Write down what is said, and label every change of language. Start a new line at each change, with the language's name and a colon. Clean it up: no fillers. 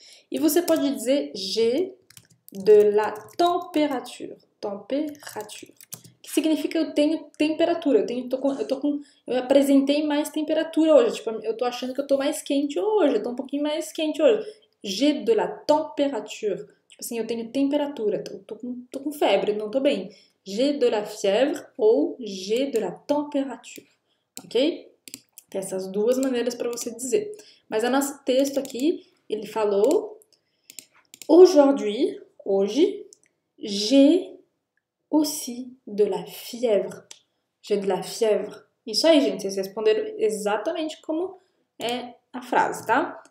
Portuguese: E você pode dizer
French: j'ai de la température.
Portuguese: Température. Que significa eu tenho temperatura. Eu apresentei mais temperatura hoje. Tipo, eu tô achando que eu tô mais quente hoje. Eu tô um pouquinho mais quente hoje.
French: J'ai de la température.
Portuguese: Tipo assim, eu tenho temperatura. Tô com febre, não tô bem.
French: J'ai de la fièvre ou j'ai de la température. Ok?
Portuguese: Tem essas duas maneiras para você dizer. Mas o nosso texto aqui, ele falou:
French: aujourd'hui,
Portuguese: hoje,
French: j'ai aussi de la fièvre.
Portuguese: J'ai de la fièvre. Isso aí, gente, vocês responderam exatamente como é a frase, tá?